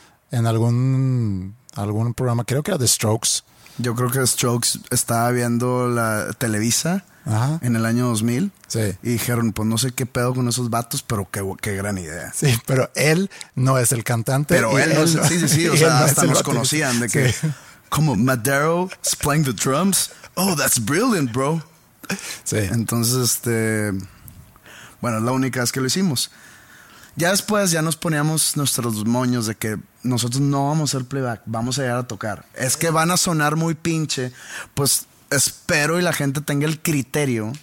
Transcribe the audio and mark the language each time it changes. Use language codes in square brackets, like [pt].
[es] En algún programa, creo que era The Strokes. Yo creo que Strokes estaba viendo la Televisa. Ajá. En el año 2000. Sí. Y dijeron, pues no sé qué pedo con esos vatos, pero qué gran idea. Sí, pero él no es el cantante. Pero él no es el... Sí, o sea, no hasta nos conocían de que... Sí. [en] Como Madero is playing the drums. Oh, that's brilliant, bro. [es] Sí. Entonces, bueno, es la única vez que lo hicimos. Ya después ya nos poníamos nuestros moños de que nosotros no vamos a hacer playback, vamos a llegar a tocar. Es que van a sonar muy pinche. Pues espero y la gente tenga el criterio,